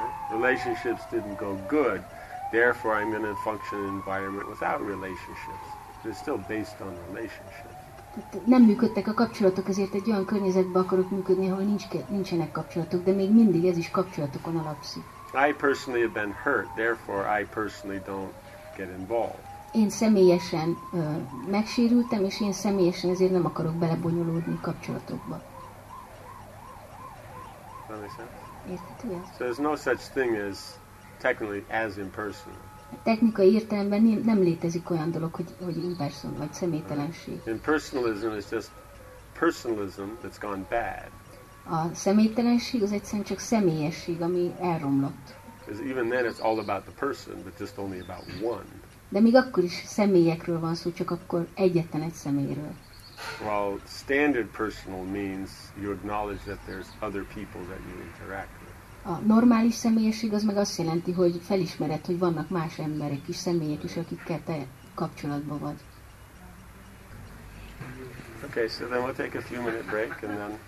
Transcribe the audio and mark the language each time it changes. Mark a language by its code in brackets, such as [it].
[en] Relationships didn't go good, therefore I'm in a functioning environment without relationships. They're still based on relationships. [hu] Nem működtek a kapcsolatok, ezért egy olyan környezetben akarok működni, ahol nincsenek kapcsolatok, de még mindig ez is kapcsolatokon alapszik. [en] I personally have been hurt, therefore I personally don't get involved. [hu] Én személyesen megsérültem, és én személyesen ezért nem akarok belebonyolódni kapcsolatokba. [en] So there's no such thing as technically as impersonal. [hu] Technikai értelemben nem létezik olyan dolog, hogy imperson vagy személytelenség. [en] Impersonalism is just personalism that's gone bad. [hu] A személytelenség az egyszerűen csak személyesség, ami elromlott. [en] Because even then it's all about the person, but just only about one. [hu] De még akkor is személyekről van szó, csak akkor egyetlen egy személyről. [en] Well, standard personal means you acknowledge that there's other people that you interact with. [hu] A normális személyesség az meg azt jelenti, hogy felismered, hogy vannak más emberek is, személyek is, akikkel te kapcsolatban vagy. [en] Okay, so then we'll take a few minute break and then...